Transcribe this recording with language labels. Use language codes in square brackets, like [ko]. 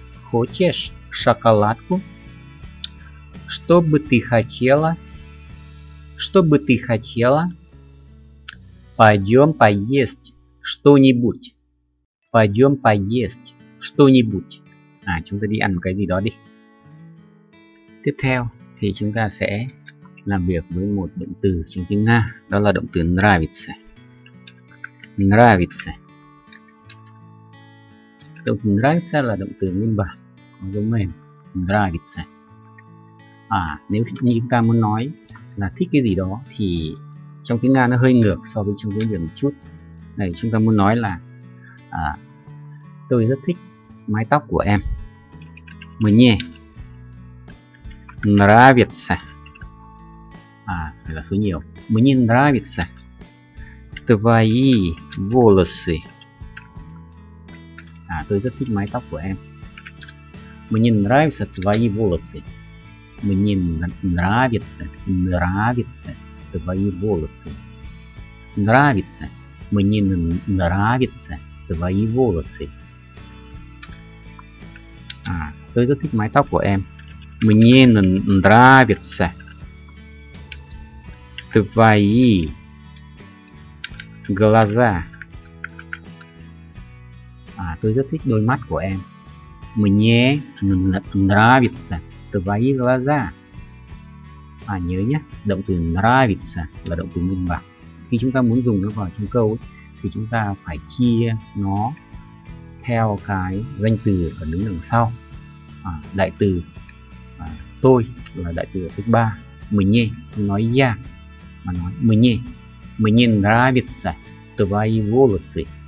[ru] Хочешь шоколадку? Что бы ты хотела? Что бы ты хотела? Пойдем поесть что-нибудь. Пойдем поесть что-нибудь. [vi] А, chúng ta đi ăn cái gì đó đi. Tiếp theo thì chúng ta sẽ làm việc với một động từ trong tiếng Nga, đó là động từ нравится. [ru] Нравится. [vi] Động từ нравится là động từ nguyên bản có dấu mềm нравится. À, nếu như chúng ta muốn nói là thích cái gì đó thì trong tiếng Nga nó hơi ngược so với trong tiếng Việt một chút. Này, chúng ta muốn nói là tôi rất thích mái tóc của em. [ru] Мне нравится. [vi] À, phải là số nhiều. [ru] Мне нравится твои волосы. [vi] À, tôi rất thích mái tóc của em. [ru] Мне нравится твои волосы. Мне нравится. Нравится твои волосы. Нравится. Мне нравится твои волосы. [vi] À, tôi rất thích mái tóc của em. [ru] Мне нравится твои глаза. [vi] À, tôi rất thích đôi mắt của em. [ru] Мне нравится твои глаза. [vi] À, nhớ nhé, động từ нравится là động từ nguyên bản. Khi chúng ta muốn dùng nó vào trong câu ấy, thì chúng ta phải chia nó theo cái danh từ ở đứng đằng sau. À, đại từ tôi là đại từ ở thứ ba. Мне nói я, mà nói мне. [ru] Мне нравится твои волосы.